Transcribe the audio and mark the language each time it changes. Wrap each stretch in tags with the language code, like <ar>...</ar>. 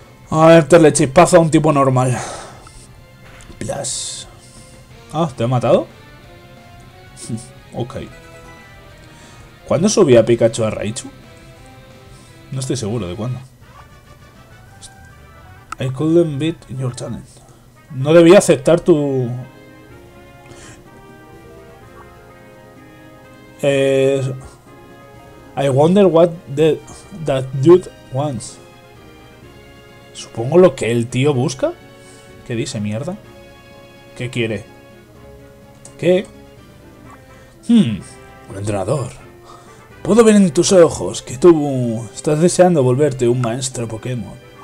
<es>A ver, darle chispazo a un tipo normal. Plus. ¿Te he matado? Ok. ¿Cuándo subí a Pikachu a Raichu? No estoy seguro de cuándo.</es> <en>I couldn't beat your talent.</en> <es>No debía aceptar tu...</es> <en>I wonder what that dude wants.</en> <es>Supongo lo que el tío busca. ¿Qué dice, mierda? ¿Qué quiere? ¿Qué? Un entrenador. Puedo ver en tus ojos que tú estás deseando volverte un maestro Pokémon.</es>